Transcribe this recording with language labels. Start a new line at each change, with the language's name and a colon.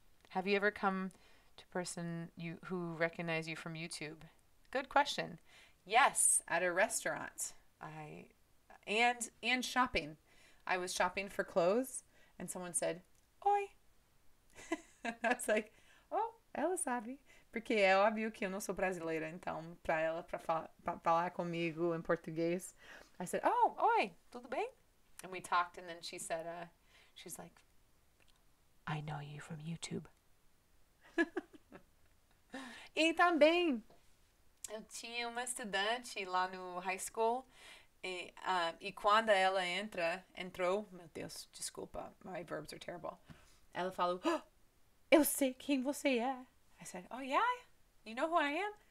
English: Have you ever come to person who recognize you from YouTube? Good question. Yes, at a restaurant. And shopping. I was shopping for clothes and someone said, oi. I was like, oh,
Portuguese: ela sabe. Porque é óbvio que eu não sou brasileira, então para ela, para falar comigo em português,
English: I said, oh,
Portuguese: oi, tudo bem?
English: And we talked and then she said, she's like, I know you from YouTube.
Portuguese: E também, eu tinha uma estudante lá no high school e quando ela entrou, meu Deus, desculpa,
English: my verbs are terrible,
Portuguese: ela falou, oh, eu sei quem você é.
English: I said, oh, yeah, you know who I am?